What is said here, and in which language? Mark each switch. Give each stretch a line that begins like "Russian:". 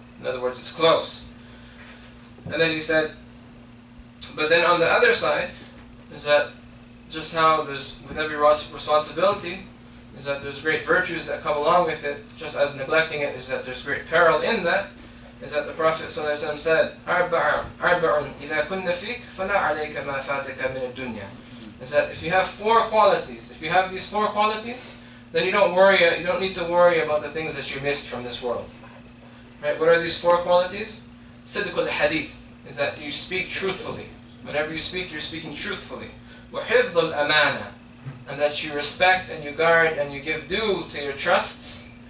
English: In other words, it's close. And then he said, but then on the other side, is that just how there's, with every responsibility, is that there's great virtues that come along with it, just as neglecting it, is that there's great peril in that, is that the Prophet ﷺ said,
Arabic: "Arba'un, إِذَا كُنَّ فِيكَ فَلَا عَلَيْكَ مَا فَاتَكَ مِنَ الدُّنْيَا."
English: Is that if you have four qualities, if you have these four qualities, then you don't need to worry about the things that you missed from this world. Right? What are these four qualities?
Arabic: صدق الحديث
English: is that you speak truthfully. Whatever you speak, you're speaking truthfully.
Arabic: وحفظ الأمانة
English: and that you respect and you guard and you give due to your trusts.